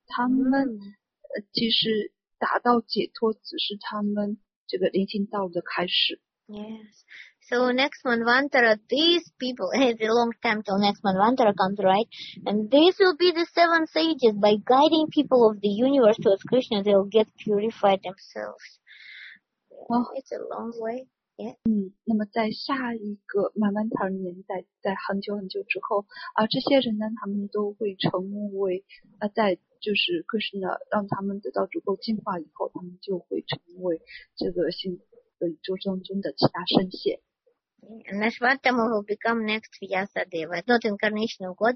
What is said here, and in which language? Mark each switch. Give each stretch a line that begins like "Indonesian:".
Chinese: 他们其实达到解脱只是他们这个灵性道路的开始。
English: Yes, So next Manvantara, these people, it's a long time till next Manvantara comes, right? And these will be the seven sages. By guiding people of the universe towards Krishna, they will get purified themselves. Oh. It's a long way. Yeah.
Chinese: 那么在下一个曼万塔年代，在很久很久之后啊，这些人呢，他们都会成为啊，在就是克什纳让他们得到足够进化以后，他们就会成为这个新宇宙当中的其他圣贤。
English: And Ashvatthama will become next Vyasadeva, not incarnation of God.